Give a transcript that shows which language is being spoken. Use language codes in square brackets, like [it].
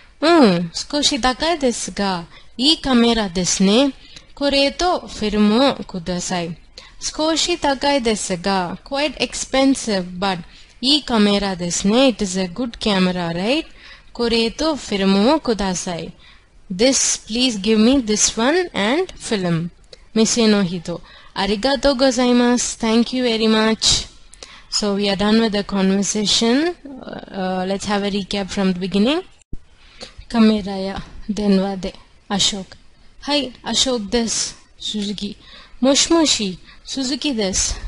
[ja] うん、少し高いですが、いいカメラですね。これとフィルムをください。少し高いですが、 [en] quite expensive, but [ja] いいカメラですね。 [en] It is a good camera, right? [ja] これとフィルムをください。 [en] This, please give me this one and film. [ja] 店の人。ありがとうございます。 [en] Thank you very much. So, we are done with the conversation. Let's have a recap from the beginning. [ja] カメラや電話で、アショク。はい、アショクです。スズキ。もしもし、スズキです。